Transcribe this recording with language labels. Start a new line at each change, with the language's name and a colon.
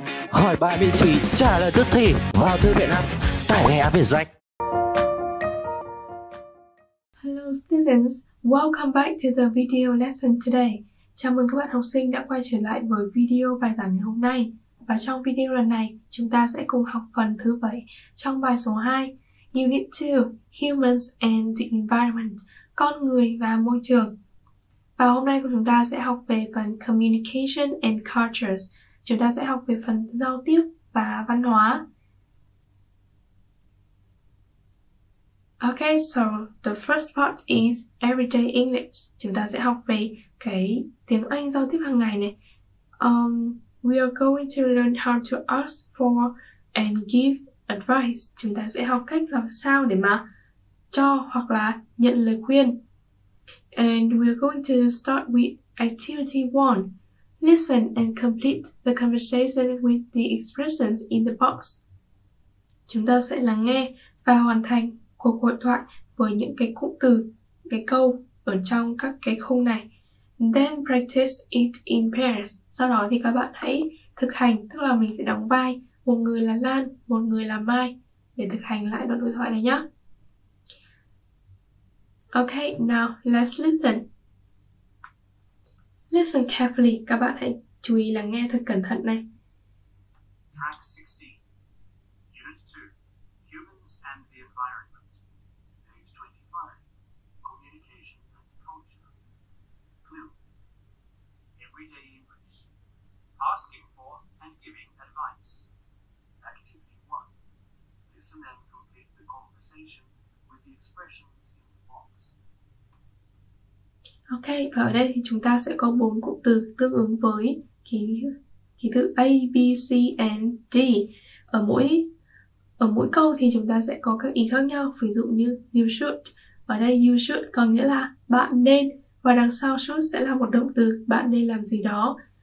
Vietnamese: Hỏi bài miễn phí, trả lời tức thì vào thư viện app, tải ngay app về danh.
English: Hello students, welcome back to the video lesson today.
Vietnamese: Chào mừng các bạn học sinh đã quay trở lại với video bài giảng ngày hôm nay. Và trong video lần này, chúng ta sẽ cùng học phần thứ 7 trong bài số 2, Unit 2,
English: Humans and the Environment,
Vietnamese: con người và môi trường. Và hôm nay của chúng ta sẽ học về phần Communication and Cultures. Chúng ta sẽ học về phần giao tiếp và văn hóa.
English: Okay, so the first part is Everyday English.
Vietnamese: Chúng ta sẽ học về cái tiếng Anh giao tiếp hàng ngày này.
English: We are going to learn how to ask for and give advice.
Vietnamese: Chúng ta sẽ học cách làm sao để mà cho hoặc là nhận lời khuyên.
English: And we're going to start with activity 1. Listen and complete the conversation with the expressions in the box.
Vietnamese: Chúng ta sẽ lắng nghe và hoàn thành cuộc hội thoại với những cái cụm từ, cái câu ở trong các cái khung này.
English: Then practice it in pairs.
Vietnamese: Sau đó thì các bạn hãy thực hành, tức là mình sẽ đóng vai một người là Lan, một người là Mai để thực hành lại đoạn hội thoại này nhé.
English: Okay, now let's listen. Listen carefully.
Vietnamese: Các bạn hãy chú ý lắng nghe thật cẩn thận này.
English: Track 60. Unit 2. Humans and the Environment. Page 25. Communication and Culture. Clue. Everyday English. Asking for and giving advice. Activity 1. Listen and complete the conversation with the expressions in the box.
Vietnamese: Ok, và ở đây thì chúng ta sẽ có bốn cụm từ tương ứng với ký tự A, B, C and D. Ở mỗi câu thì chúng ta sẽ có các ý khác nhau, ví dụ như you should. Ở đây you should có nghĩa là bạn nên, và đằng sau should sẽ là một động từ, bạn nên làm gì đó.